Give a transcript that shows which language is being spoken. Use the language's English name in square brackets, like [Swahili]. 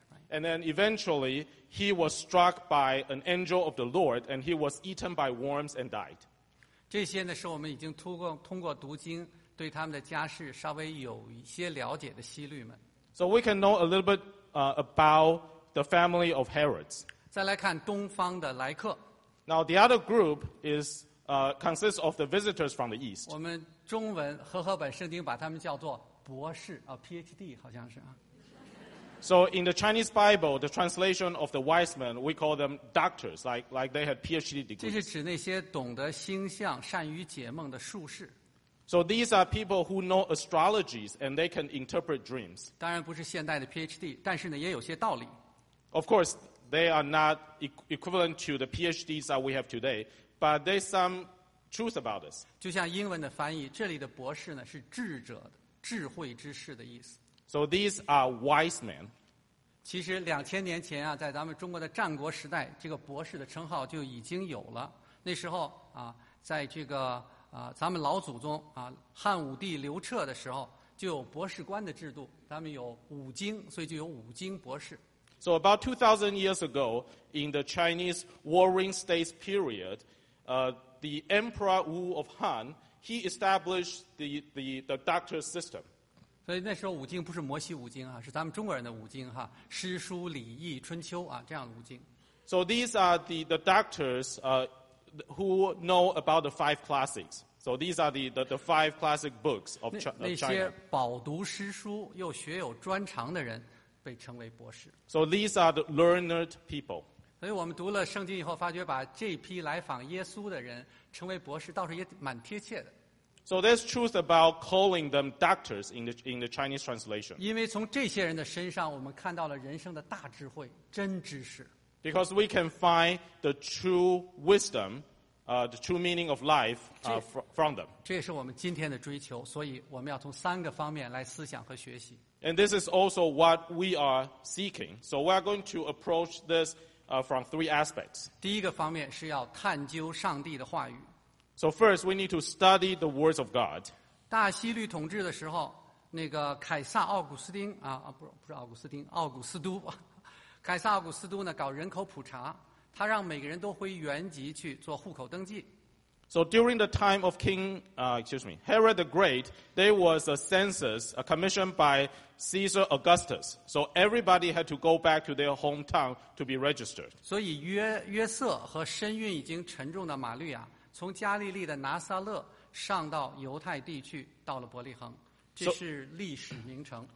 [English] And then eventually he was struck by an angel of the Lord, and he was eaten by worms and died. [Chinese] 这些呢是我们已经通过读经对他们的家世稍微有一些了解的希律们。 [English] So we can know a little bit about the family of Herods. [Chinese] 再来看东方的来客。 [English] Now the other group is consists of the visitors from the east. [Chinese] 我们中文和合本圣经把他们叫做博士啊 ，PhD 好像是啊。 [English] So in the Chinese Bible, the translation of the wise men, we call them doctors, like they had PhD degrees. [Chinese] 这是指那些懂得星象、善于解梦的术士。 [English] So these are people who know astrologies and they can interpret dreams. [Chinese] 当然不是现代的 PhD, 但是呢也有些道理。 [English] Of course, they are not equivalent to the PhDs that we have today, but there's some truth about this. [Chinese] 就像英文的翻译，这里的博士呢是智者的，智慧之士的意思。 [English] So these are wise men. [Chinese] 其实2000年前啊，在咱们中国的战国时代，这个博士的称号就已经有了。那时候啊，在这个啊，咱们老祖宗啊，汉武帝刘彻的时候就有博士官的制度，咱们有五经，所以就有五经博士。 [English] So about 2000 years ago, in the Chinese Warring States period, the Emperor Wu of Han, he established the doctor system. [Chinese] 所以那时候五经不是摩西五经啊，是咱们中国人的五经哈，诗书礼易春秋啊，这样的五经。 [English] So these are the doctors, who know about the five classics. So these are the five classic books of China. [Chinese] 那些饱读诗书又学有专长的人。被称为博士。 [English] So these are the learned people. [Chinese] 所以我们读了圣经以后，发觉把这批来访耶稣的人称为博士，倒是也蛮贴切的。 [English] So there's truth about calling them doctors in the Chinese translation. [Chinese] 因为从这些人的身上，我们看到了人生的大智慧、真知识。 [English] Because we can find the true wisdom, the true meaning of life, from them. [Chinese] 这也是我们今天的追求，所以我们要从三个方面来思想和学习。 [English] And this is also what we are seeking. So we are going to approach this from three aspects. [Chinese] 第一个方面是要探究上帝的话语。 [English] So first, we need to study the words of God. [Chinese] 大希律统治的时候，那个凯撒奥古斯丁啊，不是奥古斯丁，奥古斯都，凯撒奥古斯都呢搞人口普查，他让每个人都回原籍去做户口登记。 [English] So during the time of Herod the Great, there was a census, a commission by Caesar Augustus. So everybody had to go back to their hometown to be registered. [Chinese] 所以约瑟和身孕已经沉重的玛利亚，从加利利的拿撒勒上到犹太地去，到了伯利恒，这是历史名城。